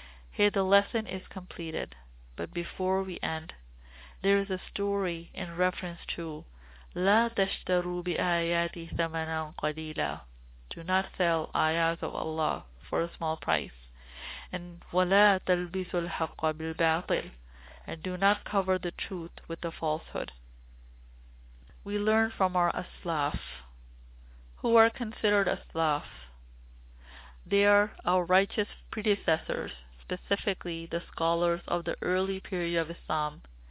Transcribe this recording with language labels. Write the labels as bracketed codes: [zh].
[en] Here the lesson is completed, but before we end, there is a story in reference to [ar] لا تشتروا بآياتي ثمنا قليلا. [en] Do not sell ayahs of Allah for a small price. And [ar] ولا تلبسوا الحق بالباطل. [en] And do not cover the truth with the falsehood. We learn from our aslaf. Who are considered aslaf? They are our righteous predecessors, specifically the scholars of the early period of Islam.